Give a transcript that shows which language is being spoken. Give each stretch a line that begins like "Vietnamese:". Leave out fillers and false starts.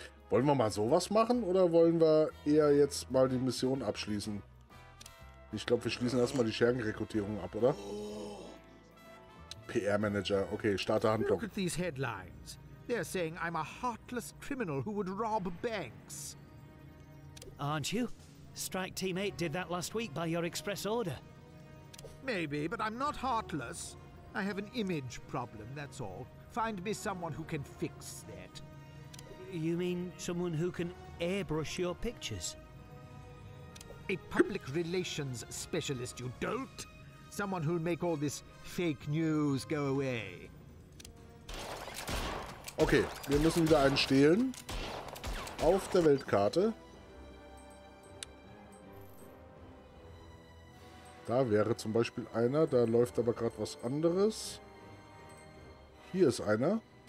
German: Wollen wir mal sowas machen oder wollen wir eher jetzt mal die Mission abschließen? Ich glaube, wir schließen erstmal die Schergenrekrutierung ab, oder? PR-Manager. Okay, starte Handlung.
English: Look at these headlines. They're saying I'm a heartless criminal who would rob banks. Aren't you? Strike Team 8 did that last week by your express order. Maybe, but I'm not heartless. I have an image problem, that's all. Find me someone who can fix that. You mean someone who can airbrush your pictures? A public relations specialist, you dolt! Someone who'll make all this fake news go away.
German: Okay, wir müssen wieder einen stehlen. Auf der Weltkarte. Da wäre zum Beispiel einer, da läuft aber gerade was anderes. Hier ist einer.